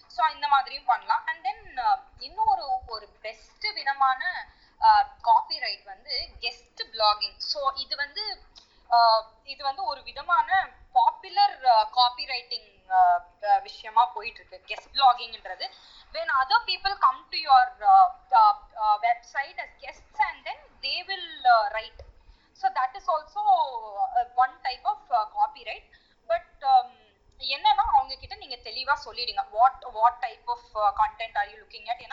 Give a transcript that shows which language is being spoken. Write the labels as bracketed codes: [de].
[ta] So இந்த மாதிரியும் பண்ணலாம். அண்ட் தென் இன்னொரு ஒரு பெஸ்ட் விதமான காபி ரைட் வந்து கெஸ்ட் பிளாகிங். ஸோ இது வந்து ஒரு விதமான பாப்புலர் காபி ரைட்டிங் விஷயமா போயிட்டு இருக்கு guest பிளாகிங்ன்றது. [en] When other people come to your website as guests and then they will write. So that is also one type of copyright. But [ta] என்ன நான் அவங்க கிட்ட நீங்க தெளிவா சொல்லிடுங்க [en] what type of content are you looking at.